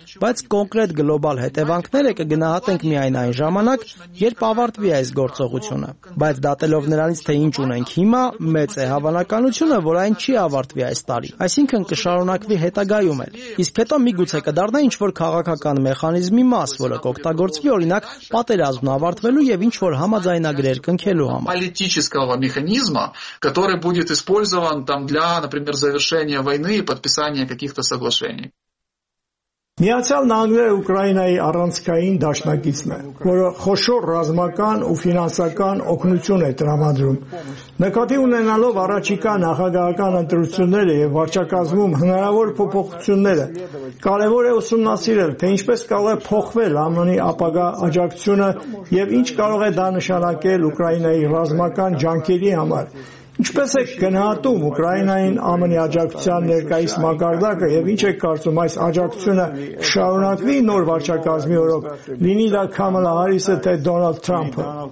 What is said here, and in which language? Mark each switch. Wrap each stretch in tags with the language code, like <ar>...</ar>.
<hy>բայց կոնկրետ գլոբալ հետևանքները կգնահատենք միայն այն ժամանակ, երբ ավարտվի այս գործողությունը։ Բայց դատելով նրանից, թե ինչ ունենք հիմա, մեծ է հավանականությունը, որ այն չի ավարտվի այս տարի, այսինքն կշարունակվի հետագայում էլ։ Իսկ հետո միգուցե կդառնա ինչ-որ քաղաքական մեխանիզմի մաս, որը կօգտագործվի, օրինակ, պատերազմն ավարտվելու եւ ինչ-որ համաձայնագրեր կնքելու համար։</hy> <ru>Для, например, завершения войны и подписания каких-то соглашений.</ru> <hy>Միացյալ Նահանգները Ուկրաինայի առանցքային դաշնակիցն է, որը խոշոր ռազմական ու ֆինանսական օգնություն է տրամադրում։ Նկատի ունենալով առաջիկա նախագահական ընտրությունները եւ վարչակազմում հնարավոր փոփոխությունները, կարևոր է ուսումնասիրել, թե ինչպես կարող է փոխվել ԱՄՆ-ի ապագա աջակցությունը եւ ինչ կարող է դա նշանակել Ուկրաինայի ռազմական ջանքերի համար։ Ինչպես է գնահատում Ուկրաինային ԱՄՆ-ի աջակցության ներկայիս մակարդակը եւ ինչ է կարծում այս աջակցությունը շարունակվի նոր վարչակազմի օրոք, լինի դա Քամալա Հարիսը թե Դոնալդ Թրամփը։</hy>